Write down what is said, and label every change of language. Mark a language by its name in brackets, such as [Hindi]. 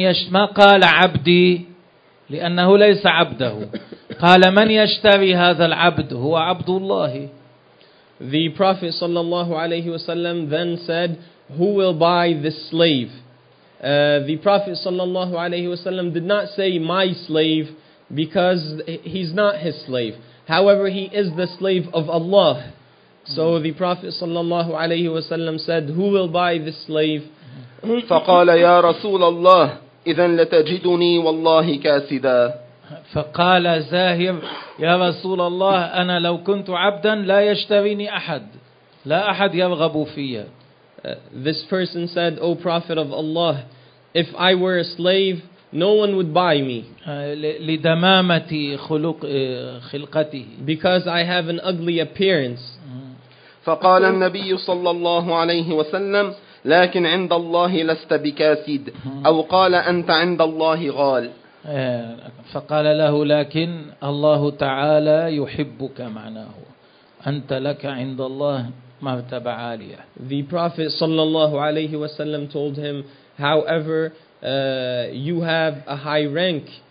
[Arabic] ما قال عبدي, لأنه ليس عبده. قال من يشتري هذا العبد؟ هو عبد الله. [English] The Prophet صلى الله عليه وسلم then said, who will buy this slave? The Prophet صلى الله عليه وسلم did not say my slave because he's not his slave. However, he is the slave of Allah. So the Prophet صلى الله عليه وسلم said, who will buy this slave? [Arabic] فقال يا رسول الله إذا لتجدني والله كاسدا. فقال زاهر يا رسول الله أنا لو كنت عبدا لا يشتريني أحد, لا أحد يرغب فيا. [English] This person said, O Prophet of Allah, if I were a slave, no one would buy me. [Arabic] لدمامة خلق خلقته. [English] Because I have an ugly appearance. [Arabic] فقال النبي صلى الله عليه وسلم لكن عند الله لست بكاسد, أو قال أنت عند الله غال. فقال له لكن الله تعالى يحبك, معناه أنت لك عند الله مرتبة عالية. [English] The Prophet صلى الله عليه وسلم told him, however, you have a high rank.